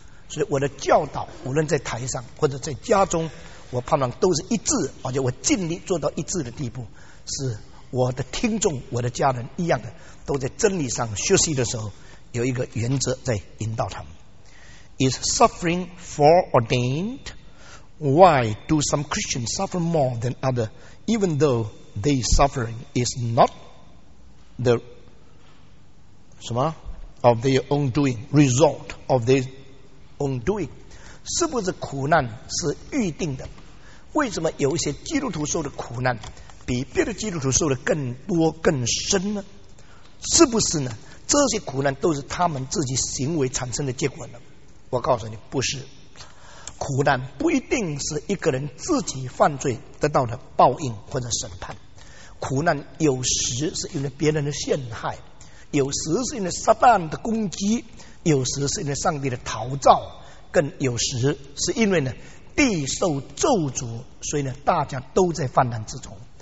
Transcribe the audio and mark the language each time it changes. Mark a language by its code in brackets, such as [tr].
[zh] 所以我的教导无论在台上或者在家中，我盼望都是一致，而且我尽力做到一致的地步，是我的听众我的家人一样的都在真理上学习的时候，有一个原则在引导他们。 [en] Is suffering foreordained? Why do some Christians suffer more than others even though their suffering is not the 什么 of their own doing, result of their own doing? [zh] 是不是苦难是预定的？为什么有一些基督徒受的苦难比别的基督徒受的更多更深呢？是不是呢这些苦难都是他们自己行为产生的结果呢？我告诉你，不是。苦难不一定是一个人自己犯罪得到的报应或者审判，苦难有时是因为别人的陷害，有时是因为撒旦的攻击，有时是因为上帝的逃召，更有时是因为呢地受咒诅，所以呢大家都在患难之中。